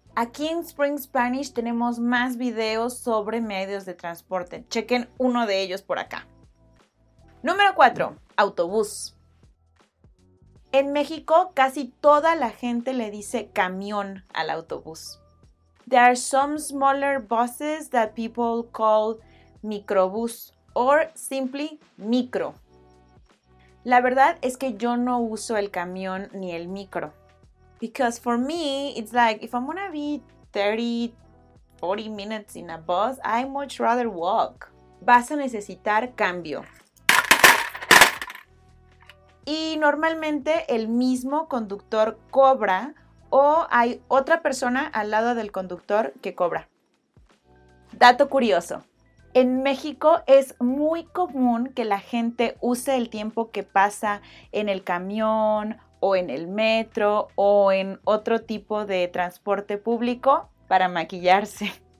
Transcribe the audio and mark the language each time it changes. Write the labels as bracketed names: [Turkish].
[Spanish] Aquí en Spring Spanish tenemos más videos sobre medios de transporte. Chequen uno de ellos por acá. Número 4. Autobús. En México, casi toda la gente le dice camión al autobús. [English] There are some smaller buses that people call microbús or simply micro. [Spanish] La verdad es que yo no uso el camión ni el micro. [English] Because for me, it's like if I'm gonna be 30, 40 minutes in a bus, I much rather walk. [Spanish] Vas a necesitar cambio. Y normalmente el mismo conductor cobra o hay otra persona al lado del conductor que cobra. Dato curioso. En México es muy común que la gente use el tiempo que pasa en el camión o en el metro o en otro tipo de transporte público para maquillarse.